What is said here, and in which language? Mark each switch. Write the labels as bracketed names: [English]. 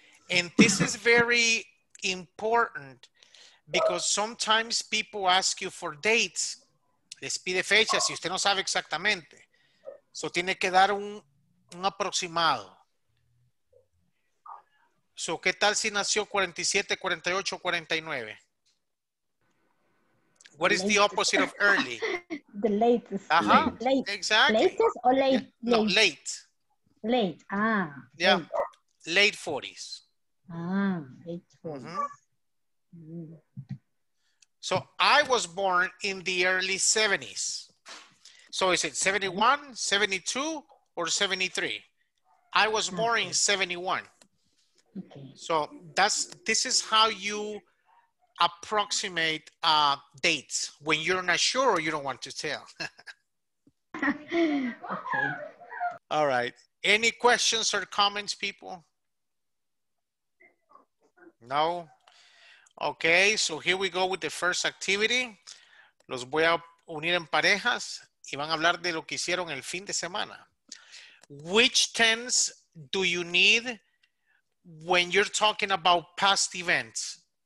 [English] And this is very important because sometimes people ask you for dates. [Spanish] Les pide fechas y usted no sabe exactamente. So tiene que dar un aproximado. So, ¿qué tal si nació 47, 48, 49? [English] What is latest. The opposite of early? The latest. Uh-huh. Late. Exactly. Latest or late? Yeah. No, late. Late. Ah. Yeah. Late 40s. Ah, late 40s. Mm-hmm. So I was born in the early 70s. So is it 71, 72, or 73? I was born in 71. Okay. So this is how you approximate dates when you're not sure or you don't want to tell. Okay. All right. Any questions or comments, people? No? Okay, so here we go with the first activity. [Spanish] Los voy a unir en parejas y van a hablar de lo que hicieron el fin de semana. [English] Which tense do you need when you're talking about past events?